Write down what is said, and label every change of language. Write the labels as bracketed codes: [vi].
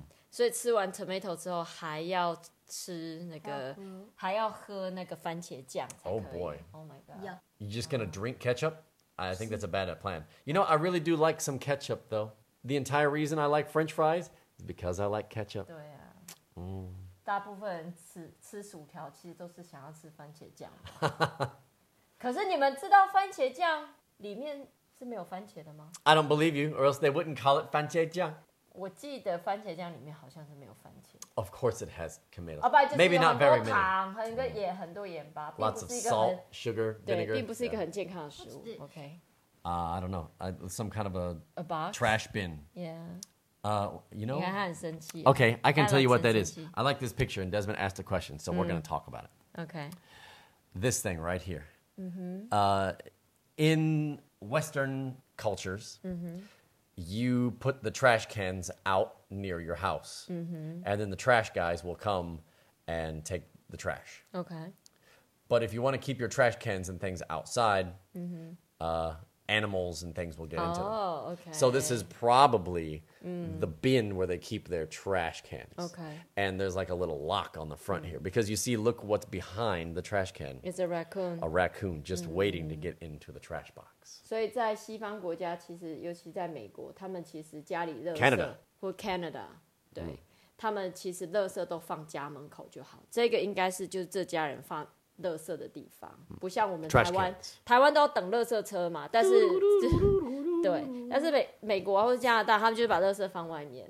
[zh] So, 吃完 tomato 之后还要吃那个还要喝那个番茄酱才可以。 [en] Oh boy. Oh my god. You're just gonna drink ketchup? I think that's a bad plan. You know, I really do like some ketchup, though. The entire reason I like French fries is because I like ketchup. [zh] 对啊。大部分人吃薯条其实都是想要吃番茄酱。可是你们知道番茄酱里面是没有番茄的吗 [en] ？I don't believe you, or else they wouldn't call it 番茄酱。 [zh] 我记得番茄酱里面好像是没有番茄。 [en] Of course it has tomato. Maybe not very many. [zh] 很多盐，很多盐巴。 [en] Lots of salt, sugar, vinegar. [zh] 对，并不是一个很健康的食物。 [en] Okay. I don't know. Some kind of a box? Trash bin. Yeah. You know? [zh] 你看他很生气。 [en] Okay, I can tell you what that is. I like this picture, and Desmond asked a question, so we're going to talk about it. Okay. This thing right here. Mm-hmm. In Western cultures... Mm-hmm. You put the trash cans out near your house. Mm-hmm. And then the trash guys will come and take the trash. Okay. But if you want to keep your trash cans and things outside, animals and things will get into them. Oh, okay. So this is probably the bin where they keep their trash cans. Okay. And there's like a little lock on the front here. Because you see, look what's behind the trash can. It's a raccoon. A raccoon just waiting to get into the trash box. So in [zh] 西方国家其实尤其在美国他们其实家里垃圾 [en] Canada. [zh] 或 Canada, 对。他们其实垃圾都放家门口就好。这个应该是就是这家人放垃圾的地方，不像我们台湾，台湾都要等垃圾车嘛。但是，对，但是美国或加拿大，他们就是把垃圾放外面。